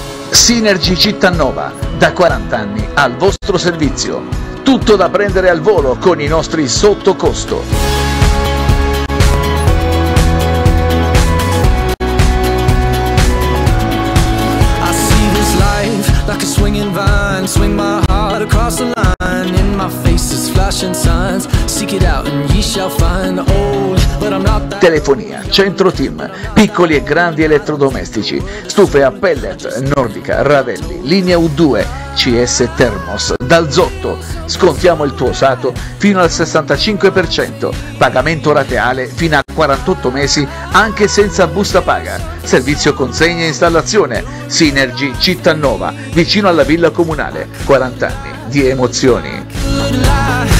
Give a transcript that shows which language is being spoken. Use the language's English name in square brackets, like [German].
[Italian] Sinergy Cittanova, da 40 anni al vostro servizio. Tutto da prendere al volo con i nostri sottocosto. [English] I see this life like a swinging vine, swing my heart across the line, in my face is flashing signs, seek it out and ye shall find the old, but I'm not that. [Italian] Telefonia, Centro Team, piccoli e grandi elettrodomestici, stufe a pellet, Nordica, Ravelli, linea U2, CS Thermos, Dalzotto, scontiamo il tuo usato fino al 65%, pagamento rateale fino a 48 mesi anche senza busta paga, servizio consegna e installazione, Synergy Cittanova, vicino alla villa comunale, 40 anni di emozioni.